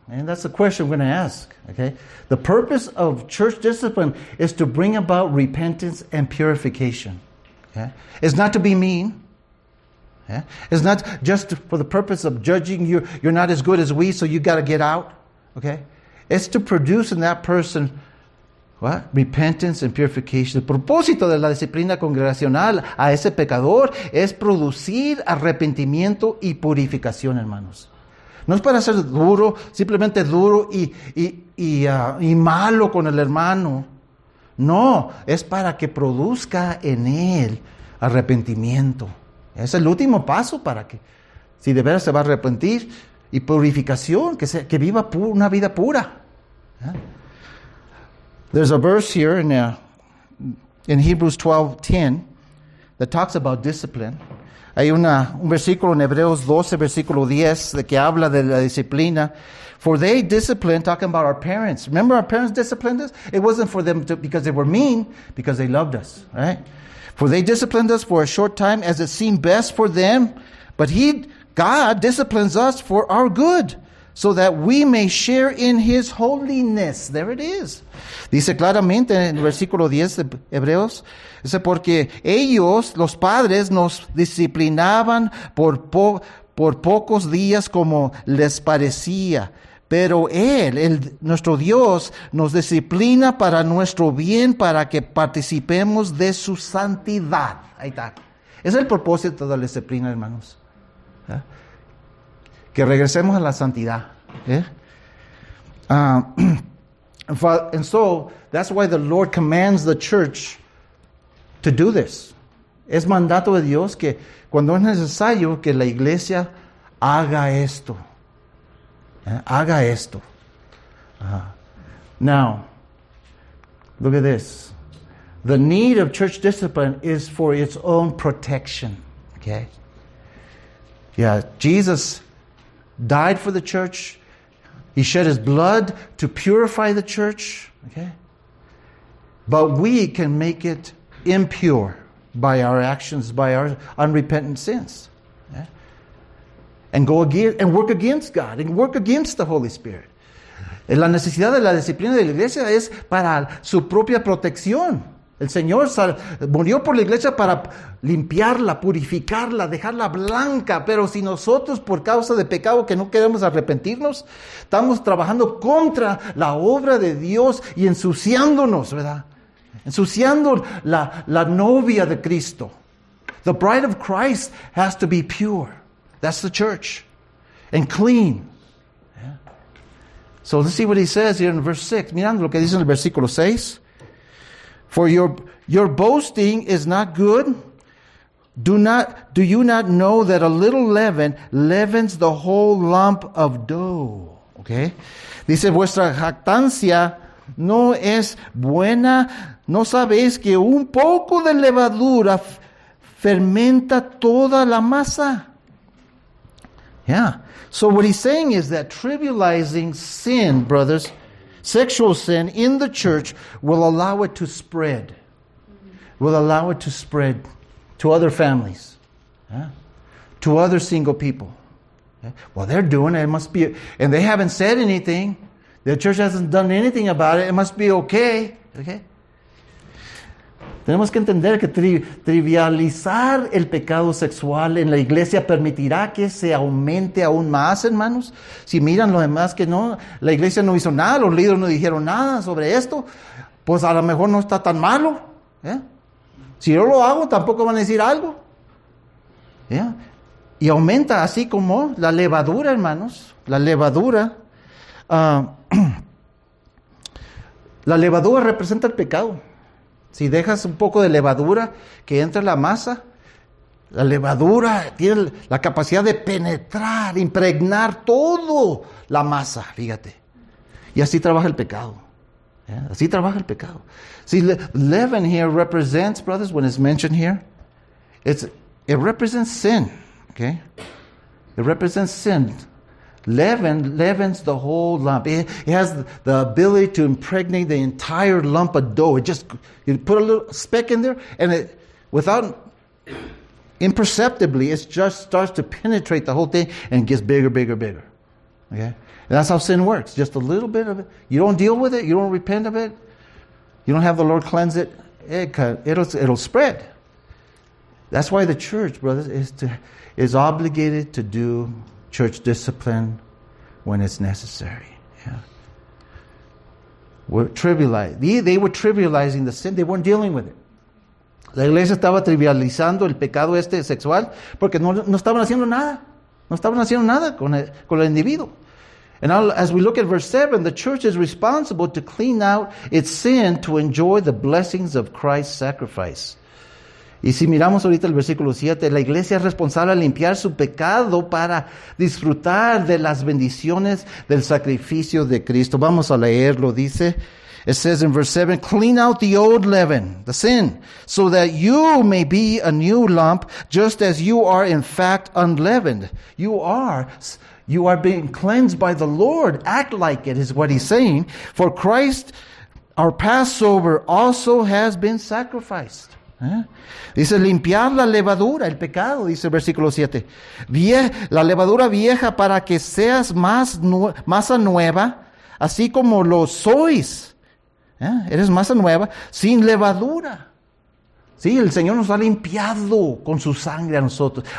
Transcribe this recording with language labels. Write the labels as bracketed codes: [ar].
[en] And that's the question we're going to ask, okay? The purpose of church discipline is to bring about repentance and purification, okay? It's not to be mean, okay? It's not just for the purpose of judging you're not as good as we, so you got to get out, okay? It's to produce in that person, what? Repentance and purification. [es] El propósito de la disciplina congregacional a ese pecador es producir arrepentimiento y purificación, hermanos. No es para ser duro, simplemente duro y malo con el hermano. No, es para que produzca en él arrepentimiento. Es el último paso para que, si de veras se va a arrepentir, y purificación, que viva una vida pura. [en] There's a verse here in Hebrews 12:10 that talks about discipline. [es] Hay un versículo en Hebreos 12, versículo 10, de que habla de la disciplina. [en] For they disciplined, talking about our parents. Remember our parents disciplined us? It wasn't for them to, because they were mean, because they loved us, right? For they disciplined us for a short time as it seemed best for them. But God disciplines us for our good, so that we may share in His holiness. There it is. [es] Dice claramente en el versículo 10 de Hebreos. Dice, porque ellos, los padres, nos disciplinaban por pocos días como les parecía. Pero Él, nuestro Dios, nos disciplina para nuestro bien, para que participemos de su santidad. Ahí está. Es el propósito de la disciplina, hermanos. Que regresemos a la santidad. [en] And so that's why the Lord commands the church to do this. [es] Es mandato de Dios que cuando es necesario que la iglesia haga esto. Haga esto. [en] Now, look at this. The need of church discipline is for its own protection. Okay? Yeah, Jesus died for the church. He shed His blood to purify the church, okay? But we can make it impure by our actions, by our unrepentant sins, yeah? And go again and work against God and work against the Holy Spirit. [es] La necesidad de la disciplina de la iglesia es para su propia protección. El Señor murió por la iglesia para limpiarla, purificarla, dejarla blanca. Pero si nosotros, por causa de pecado que no queremos arrepentirnos, estamos trabajando contra la obra de Dios y ensuciándonos, ¿verdad? Ensuciando la novia de Cristo. [en] The bride of Christ has to be pure. That's the church. And clean. So let's see what he says here in verse 6. [es] Mirando lo que dice en el versículo 6. [en] For your boasting is not good. Do you not know that a little leaven leavens the whole lump of dough? [es] Okay. Dice, vuestra jactancia no es buena. ¿No sabéis que un poco de levadura fermenta toda la masa? [en] Yeah. So what he's saying is that trivializing sin, brothers, sexual sin in the church will allow it to spread. Will allow it to spread to other families. Yeah? To other single people. Yeah? Well, they're doing it. It must be. And they haven't said anything. The church hasn't done anything about it. It must be okay. Okay? [es] Tenemos que entender que trivializar el pecado sexual en la iglesia permitirá que se aumente aún más, hermanos. Si miran lo demás que no, la iglesia no hizo nada, los líderes no dijeron nada sobre esto, pues a lo mejor no está tan malo. ¿Eh? Si yo lo hago, tampoco van a decir algo. ¿Eh? Y aumenta así como la levadura, hermanos. La levadura. La levadura representa el pecado. Si dejas un poco de levadura que entre la masa, la levadura tiene la capacidad de penetrar, impregnar todo la masa, fíjate. Y así trabaja el pecado. Yeah, así trabaja el pecado. [en] See, leaven here represents, brothers, when it's mentioned here, it represents sin, okay? It represents sin. Leavens the whole lump. It has the ability to impregnate the entire lump of dough. You put a little speck in there, and imperceptibly, it just starts to penetrate the whole thing and gets bigger, bigger, bigger. Okay? And that's how sin works. Just a little bit of it. You don't deal with it. You don't repent of it. You don't have the Lord cleanse it. It'll spread. That's why the church, brothers, is obligated to do church discipline when it's necessary. Yeah. They were trivializing the sin. They weren't dealing with it. [es] La iglesia estaba trivializando el pecado este sexual porque no estaban haciendo nada. No estaban haciendo nada con el individuo. [en] And now, as we look at verse 7, the church is responsible to clean out its sin to enjoy the blessings of Christ's sacrifice. [es] Y si miramos ahorita el versículo 7, la iglesia es responsable a limpiar su pecado para disfrutar de las bendiciones del sacrificio de Cristo. Vamos a leerlo, dice. [en] It says in verse 7, clean out the old leaven, the sin, so that you may be a new lump, just as you are in fact unleavened. You are being cleansed by the Lord. Act like it, is what he's saying. For Christ, our Passover, also has been sacrificed. [es] Dice, limpiar la levadura, el pecado, dice el versículo 7. La levadura vieja para que seas masa nueva, así como lo sois. Eres masa nueva, sin levadura. Sí, el Señor nos ha limpiado con su sangre a nosotros.